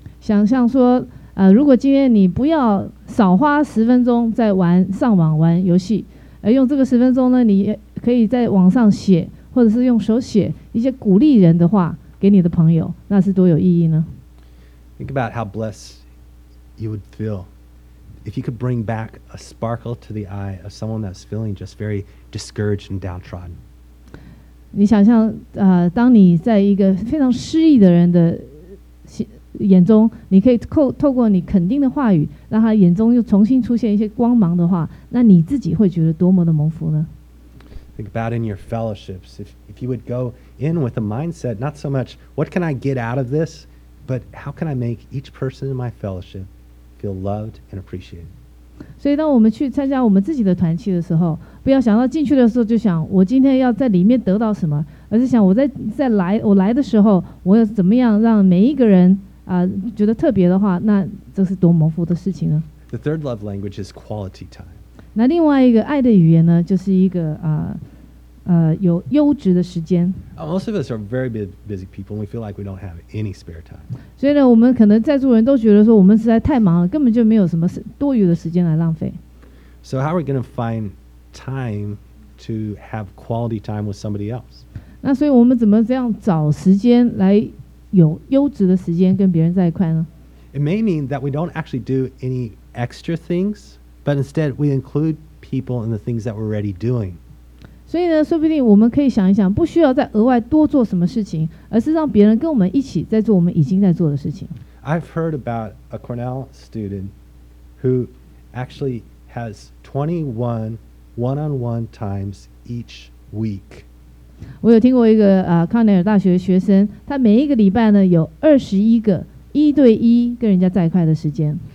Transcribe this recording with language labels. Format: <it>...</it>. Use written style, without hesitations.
<zh>想像说如果今天你不要少花十分钟在上网玩游戏，而用这个十分钟呢，你可以在网上写，或者是用手写一些鼓励人的话给你的朋友，那是多有意义呢？</zh> <en>Think about how blessed you would feel if you could bring back a sparkle to the eye of someone that's feeling just very discouraged and downtrodden.</en> <zh>你想像当你在一个非常失意的人的眼中，你可以透过你肯定的话语，让他眼中又重新出现一些光芒的话，那你自己会觉得多么的蒙福呢？</zh> <en>Think about in your fellowships, if you would go in with a mindset, not so much what can I get out of this, but how can I make each person in my fellowship feel loved and appreciated.</en> <zh>所以当我们去参加我们自己的团契的时候，不要想到进去的时候就想我今天要在里面得到什么，而是想我来的时候，我要怎么样让每一个人觉得特别的话，那这是多蒙福的事情呢？</zh> <en>The third love language is quality time.</en> <zh>那另外一个爱的语言呢，就是一个有优质的时间。</zh> <en>Most of us are very busy people, and we feel like we don't have any spare time.</en> <zh>所以呢，我们可能在座人都觉得说，我们实在太忙了，根本就没有什么多余的时间来浪费。</zh> <en>So how are we going to find time to have quality time with somebody else?</en> <zh>那所以我们怎么这样找时间来有优质的时间跟别人在一块呢？</zh> <en>It may mean that we don't actually do any extra things, but instead we include people in the things that we're already doing.</en> <zh>所以呢，说不定我们可以想一想，不需要再额外多做什么事情，而是让别人跟我们一起在做我们已经在做的事情。</zh> <en>I've heard about a Cornell student who actually has 21 one-on-one times each week.</en> <zh>我有听过一个康奈尔大学的学生，他每一个礼拜呢有21个一对一跟人家在一块的时间。</zh>